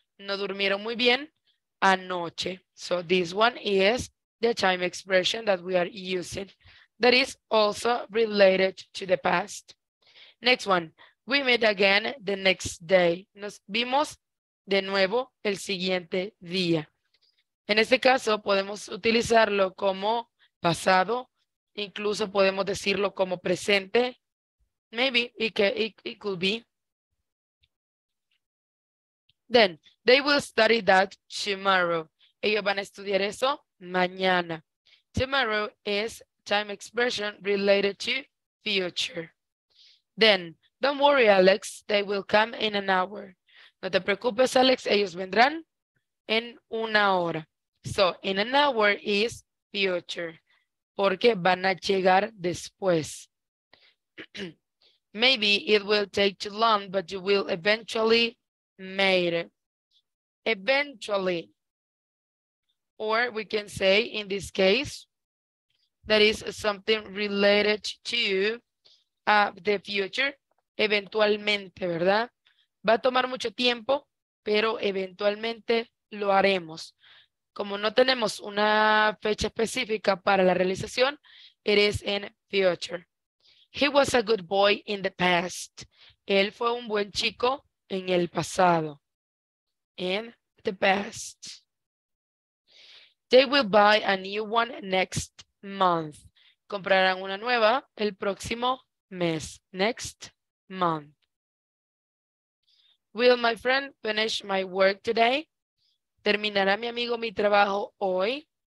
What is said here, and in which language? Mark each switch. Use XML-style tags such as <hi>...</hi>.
<es>No durmieron muy bien anoche.</es> <en>So this one is the time expression that we are using that is also related to the past. Next one, we meet again the next day.</en> <es>Nos vimos de nuevo el siguiente día. En este caso, podemos utilizarlo como pasado, incluso podemos decirlo como presente.</es> <en>Maybe it could be. Then, they will study that tomorrow.</en> <es>Ellos van a estudiar eso mañana.</es> <en>Tomorrow is time expression related to future. Then, don't worry, Alex. They will come in an hour.</en> <es>No te preocupes, Alex. Ellos vendrán en una hora.</es> <en>So, in an hour is future.</en> <es>Porque van a llegar después.</es> <en>Maybe it will take too long, but you will eventually make it. Eventually. Or we can say in this case, that is something related to the future.</en> <es>Eventualmente, ¿verdad? Va a tomar mucho tiempo, pero eventualmente lo haremos. Como no tenemos una fecha específica para la realización,</es> <en>it is in future. He was a good boy in the past.</en> <es>Él fue un buen chico en el pasado.</es> <en>In the past. They will buy a new one next month.</en> <es>Comprarán una nueva el próximo mes.</es> <en>Next month. Will my friend finish my work today?</en> <es>¿Terminará mi amigo mi trabajo hoy?</es>